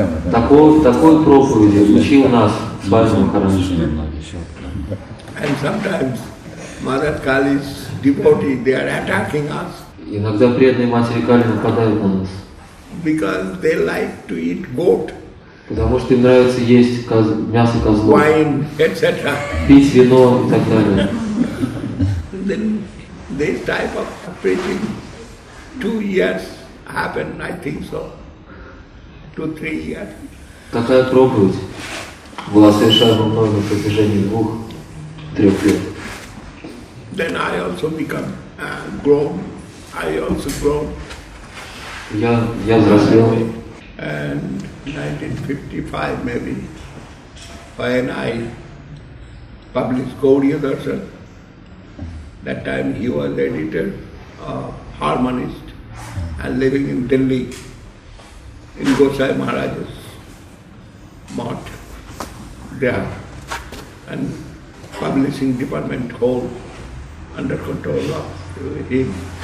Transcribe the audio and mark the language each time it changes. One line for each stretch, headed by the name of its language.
Russian: Такой проповеди учил нас с Бхакти Махараджи.
English: And sometimes Mother Kali's devotees, they are attacking us.
Russian: Иногда преданные матери Кали нападают на нас.
English: Because they like to eat goat.
Russian: Потому что им нравится есть мясо козлов,
English: wine, etc.
Russian: пить вино и так далее.
English: Then this type of preaching 2 years happened, I think so, 2-3 years.
Russian: Такая проповедь была совершаема мной на протяжении 2-3 лет.
English: Then I also become grown. I also grown.
Russian: Я взрослел.
English: And 1955, maybe, when I published Gauriya Darshan, that time he was editor, harmonist, and living in Delhi, in Gosai Maharaj's mart there, and publishing department hall under control of him.